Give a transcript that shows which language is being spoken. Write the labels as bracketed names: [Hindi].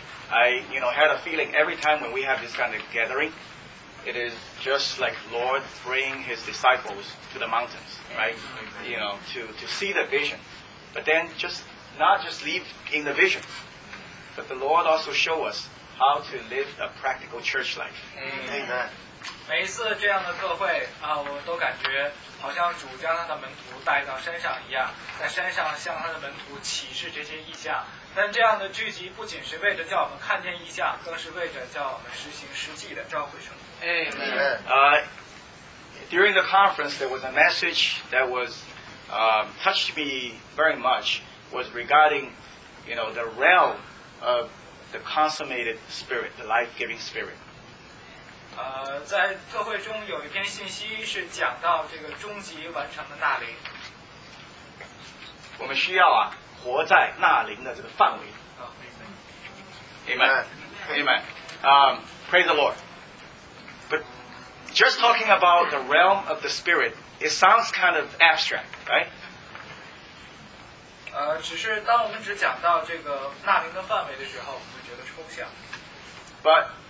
[English] I had a feeling every time when we have this kind of gathering, it is just like Lord bringing his disciples to the mountains, right? To see the vision. But then not just live in the vision, but the Lord also show us how to live a practical church life. Amen. [Chinese] 每一次这样的特会我都感觉好像主将他的门徒带到山上一样，在山上向他的门徒启示这些异象。但这样的聚集不仅是为着叫我们看见异象，更是为着叫我们实行实际的召会生活。 Amen. [English] During the conference, there was a message that was touched me very much. Was regarding, the realm of the consummated spirit, the life-giving spirit. [Chinese] 在特会中有一篇信息是讲到这个终极完成的纳灵。我们需要活在纳灵的这个范围。 [English] Oh, Amen. Amen. Amen. Praise the Lord. But just talking about the realm of the spirit, it sounds kind of abstract, right? [Chinese] 只是当我们只讲到这个纳灵的范围的时候，我们觉得抽象。 [English] But